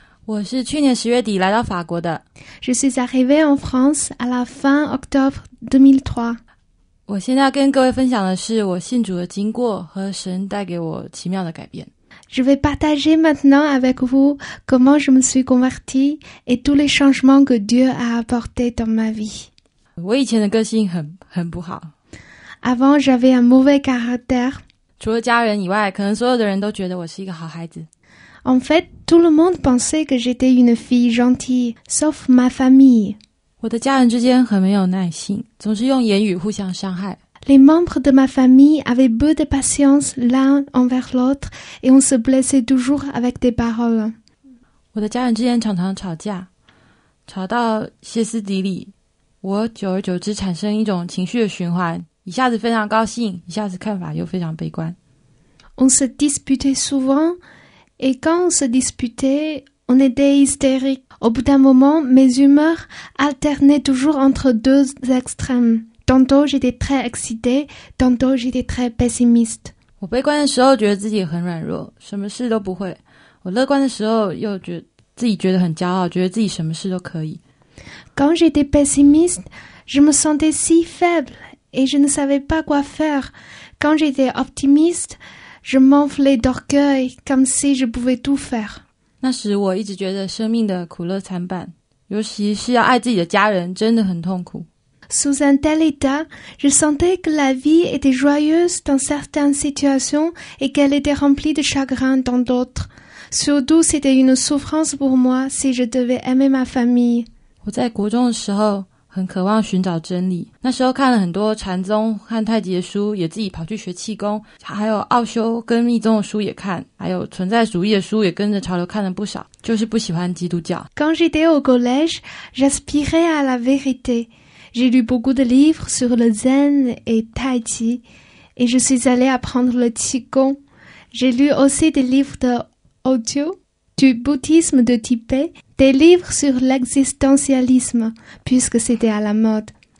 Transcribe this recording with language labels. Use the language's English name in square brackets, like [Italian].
[Chinese] 我是去年十月底来到法国的。 [French] Je suis arrivé en France à la fin octobre 2003. [Chinese] 我现在要跟各位分享的是我信主的经过和神带给我奇妙的改变。 [French] Je vais partager maintenant avec vous comment je me suis converti et tous les changements que Dieu a apporté dans ma vie. [Chinese] 我以前的个性很不好。 [French] Avant, j'avais un mauvais caractère. [Chinese] 除了家人以外，可能所有的人都觉得我是一个好孩子。 [French] En fait, tout le monde pensait que j'étais une fille gentille, sauf ma famille. [Chinese] 我的家人之间很没有耐心，总是用言语互相伤害。 [French] Les membres de ma famille avaient peu de patience l'un envers l'autre et on se blessait toujours avec des paroles. [Chinese] 我的家人之间常常吵架，吵到歇斯底里。我久而久之产生一种情绪的循环。一下子非常高兴，一下子看法又非常悲观。 [French] On se disputait souvent, et quand on se disputait, on était hystérique. Au bout d'un moment, mes humeurs alternaient toujours entre deux extrêmes. Tantôt j'étais très excitée, tantôt j'étais très pessimiste. [Chinese] 我悲观的时候觉得自己很软弱，什么事都不会。我乐观的时候又觉得很骄傲，觉得自己什么事都可以。 [French] Quand j'étais pessimiste, je me sentais si faible. Et je ne savais pas quoi faire. Quand j'étais optimiste, je m'enflais d'orgueil, comme si je pouvais tout faire. [Chinese] 那时我一直觉得生命的苦乐参半，尤其是要爱自己的家人，真的很痛苦。 [French] Sous un tel état, je sentais que la vie était joyeuse dans certaines situations et qu'elle était remplie de chagrin dans d'autres. Surtout, c'était une souffrance pour moi si je devais aimer ma famille. [Chinese] 我在国中的时候很渴望寻找真理，那时候看了很多禅宗和太极的书，也自己跑去学气功，还有奥修跟密宗的书也看，还有存在主义的书也跟着潮流看了不少，就是不喜欢基督教。 [French] Quand j'étais au collège, j'aspirais à la vérité. J'ai lu beaucoup de livres sur le zen et tai chi, et je suis allée apprendre le qigong. J'ai lu aussi des livres de Osho, du bouddhisme de Tibet. Des livres sur l'existentialisme, puisque c'était à la mode.